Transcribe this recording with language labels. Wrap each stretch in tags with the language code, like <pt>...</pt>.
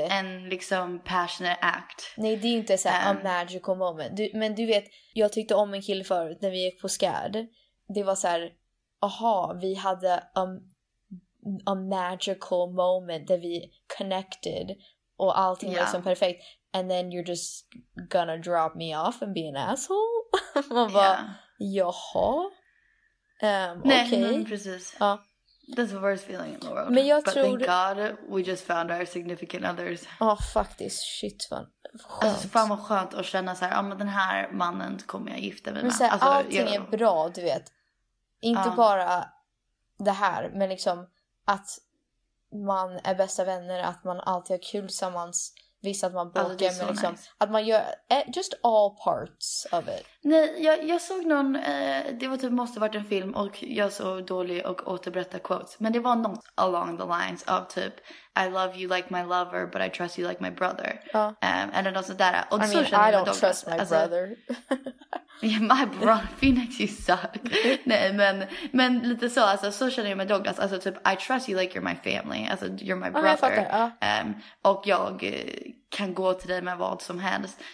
<sv>en liksom</sv> <en>passionate act.</en> <sv>Nej, det är inte så här</sv> <en>a magical moment.</en> <sv>Men du vet, jag tyckte om en kille förut när vi gick på Skärd. Det var så här, aha, vi hade</sv> <en>a magical moment</en> <sv>där vi connected och allting var liksom perfekt.</sv> <en>And then you're just gonna drop me off and be an asshole.</en> <sv>Man bara, jaha. Nej, okay. Men precis. Ja.</sv> <en>That's the worst feeling in the world.</en> <sv>Men jag</sv> <en>But</en> <sv>tror...</sv> <en>thank God we just found our significant others.</en> <sv>Ja, oh, faktiskt. Shit, fan. Alltså, fan vad skönt att känna så här, ja, men den här mannen kommer jag gifta mig med. Så här, alltså, allting är bra, du vet. Inte bara det här, men liksom att man är bästa vänner, att man alltid har kul tillsammans. Visst att man bokar, alltså, men liksom, nice. Att man gör</sv> <en>just all parts of it.</en> <sv>Nej, jag såg någon, det var typ, måste varit en film, och jag såg dålig och återberättade quotes. Men det var något</sv> <en>along the lines of typ, I love you like my lover, but I trust you like my brother. And then also that. Och I mean, så I don't trust my brother. Yeah, my brother, Phoenix, you suck.</en> <sv>Nej, men lite så, alltså, så känner jag med Douglas.</sv> <en>Alltså typ, I trust you like you're my family. Alltså, you're my brother.</en> <sv>Och jag kan gå till dig med vad som helst.</sv>